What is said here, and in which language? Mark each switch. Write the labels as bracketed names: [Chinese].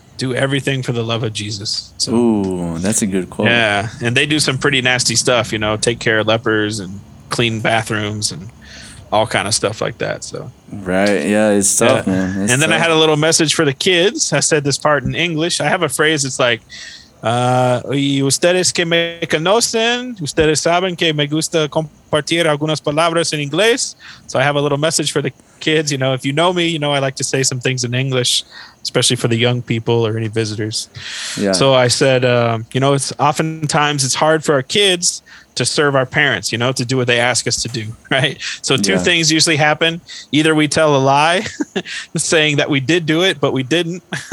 [English] Do everything for the love of Jesus. So, ooh, that's a good quote. Yeah, and they do some pretty nasty stuff, you know, take care of lepers and clean bathrooms and all kind of stuff like that. So, right, yeah, it's tough, yeah. man. It's and then tough. I had a little message for the kids. I said this part in English. I have a phrase. It's like, [Spanish] ustedes que me conocen, ustedes saben que me gusta compartir algunas palabras en inglés. [English] So I have a little message for the kids. You know, if you know me, you know I like to say some things in English, especially for the young people or any visitors. Yeah. So I said, you know, it's oftentimes hard for our kids to serve our parents, you know, to do what they ask us to do, right? So two things usually happen. Either we tell a lie saying that we did do it, but we didn't.